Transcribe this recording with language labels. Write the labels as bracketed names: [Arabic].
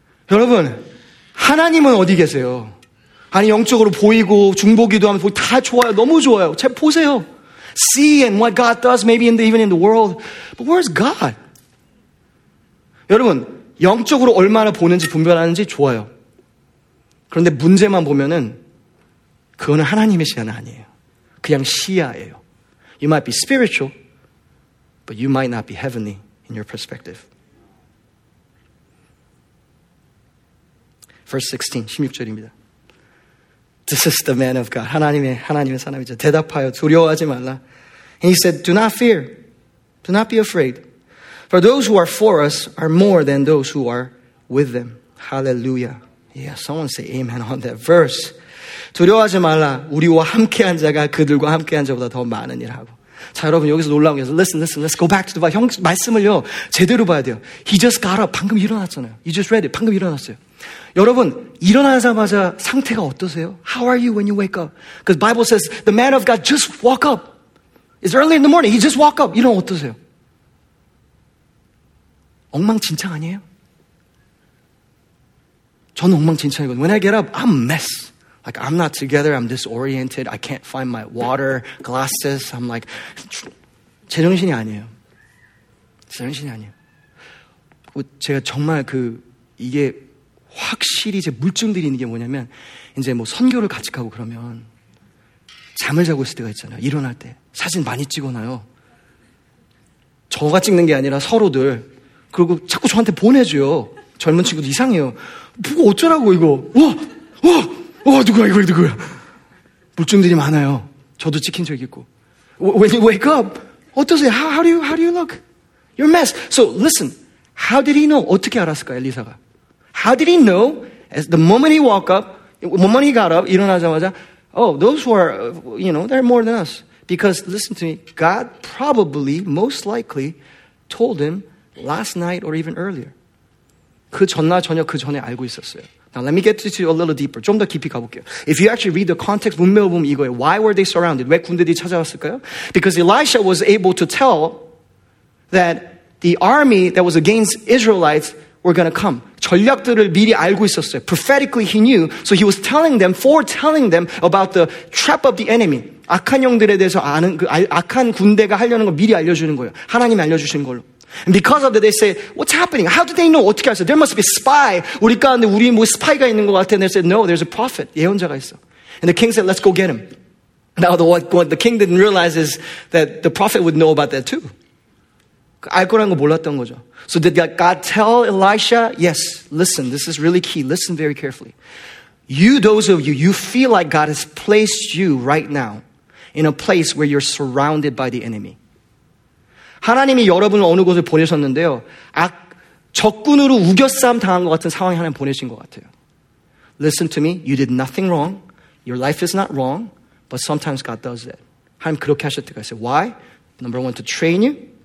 [Korean] 여러분, 하나님은 어디 계세요? 아니, 영적으로 보이고 중보기도 하면 다 좋아요. 너무 좋아요. 제 보세요. [English] Seeing what God does, maybe even in the world. But where's God? [Korean] 여러분, 영적으로 얼마나 보는지 분별하는지 좋아요. 그런데 문제만 보면은 그거는 하나님의 시야는 아니에요. 그냥 시야예요. [English] You might be spiritual, but you might not be heavenly in your perspective. Verse 16, [Korean] 16절입니다. [English] This is the man of God. [Korean] 하나님의 사람이죠. 대답하여 두려워하지 말라. [English] And he said, do not fear. Do not be afraid. For those who are for us are more than those who are with them. Hallelujah. Yeah, someone say amen on that verse. [Korean] 두려워하지 말라. 우리와 함께한 자가 그들과 함께한 자보다 더 많으니라고. 자, 여러분 여기서 놀라운 게 [English] listen. Let's go back to the Bible. [Korean] 형 말씀을요 제대로 봐야 돼요. [English] He just got up. [Korean] 방금 일어났잖아요. [English] He just read it. [Korean] 방금 일어났어요. 여러분 일어나자마자 상태가 어떠세요? [English] How are you when you wake up? Because Bible says the man of God just woke up. It's early in the morning. He just woke up. [Korean] 이런 어떠세요? 엉망진창 아니에요? 저는 엉망진창이거든요. [English] When I get up, I'm a mess. Like, I'm not together. I'm disoriented. I can't find my water, glasses. I'm like, [Korean] 제정신이 아니에요. 제정신이 아니에요. 제가 정말 그, 이게 확실히 제 물증들이 있는 게 뭐냐면, 이제 뭐 선교를 같이 가고 그러면, 잠을 자고 있을 때가 있잖아요. 일어날 때. 사진 많이 찍어놔요. 저가 찍는 게 아니라 서로들. 그리고 자꾸 저한테 보내줘요. 젊은 친구도 이상해요. 뭐 어쩌라고 이거. 와, 누구야, 이거 누구야. 물증들이 많아요. 저도 찍힌 적 있고. [English] When you wake up, [Korean] 어떠세요? [English] How do you look? You're a mess. So listen, how did he know? [Korean] 어떻게 알았을까, 엘리사가? [English] How did he know? As the moment he woke up, the moment he got up, [Korean] 일어나자마자, [English] oh, those who are, you know, they're more than us. Because listen to me, God probably, most likely, told him last night or even earlier. [Korean] 그 전날 저녁 그 전에 알고 있었어요. [English] Now let me get to you a little deeper. [Korean] 좀 더 깊이 가볼게요. [English] If you actually read the context, [Korean] 문맥을 보면 이거예요. [English] Why were they surrounded? [Korean] 왜 군대들이 찾아왔을까요? [English] Because Elisha was able to tell that the army that was against Israelites were going to come. [Korean] 전략들을 미리 알고 있었어요. [English] Prophetically he knew. So he was telling them, foretelling them about the trap of the enemy. [Korean] 악한 영들에 대해서 아는, 그 악한 군대가 하려는 걸 미리 알려주는 거예요. 하나님이 알려주신 걸로. [English] And because of that, they say, what's happening? How do they know? [Korean] 어떻게 알았어? [English] There must be a spy. [Korean] 우리 가운데 우리 뭐 스파이가 있는 것 같아. [English] And they said, no, there's a prophet. [Korean] 예언자가 있어. [English] And the king said, let's go get him. Now what the king didn't realize is that the prophet would know about that too. [Korean] 알 거라는 거 몰랐던 거죠. [English] So did God tell Elisha? Yes, listen, this is really key. Listen very carefully. You, those of you, you feel like God has placed you right now in a place where you're surrounded by the enemy. [Korean] 하나님이 여러분을 어느 곳에 보내셨는데요. 적군으로 우겨쌈 당한 것 같은 상황에 하나님 보내신 것 같아요. [English] Listen to me. You did nothing wrong. Your life is not wrong. But sometimes God does that. [Korean] 하나님 그렇게 하실 때가 있어요. [English] Why? Number one, to train you.